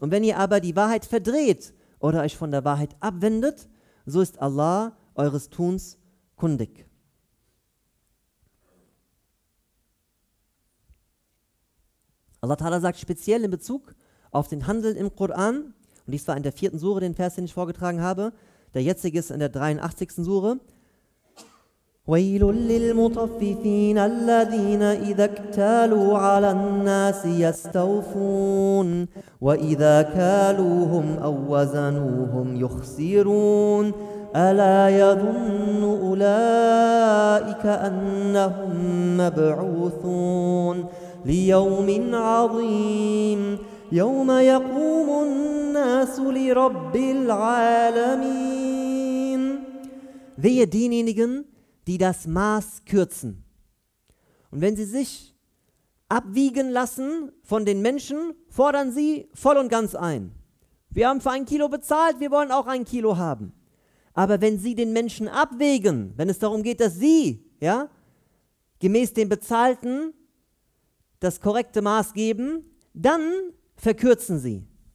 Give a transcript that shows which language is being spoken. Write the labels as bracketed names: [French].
[German] Und wenn ihr aber die Wahrheit verdreht oder euch von der Wahrheit abwendet, so ist Allah eures Tuns kundig. Allah Ta'ala sagt speziell in Bezug auf den Handel im Koran, und dies war in der 4. Sure, den Vers, den ich vorgetragen habe, der jetzige ist in der 83. Sure. [Arabic] ويل للمطففين الذين إذا اكتالوا على الناس يستوفون وإذا كالوهم أو وزنوهم يخسرون ألا يظن أولئك أنهم مبعوثون ليوم عظيم يوم يقوم الناس لرب العالمين. [German] Wehe denjenigen, die das Maß kürzen. Und wenn sie sich abwiegen lassen von den Menschen, fordern sie voll und ganz ein. Wir haben für ein Kilo bezahlt, wir wollen auch ein Kilo haben. Aber wenn sie den Menschen abwägen, wenn es darum geht, dass sie, ja, gemäß dem Bezahlten das korrekte Maß geben, dann verkürzen sie.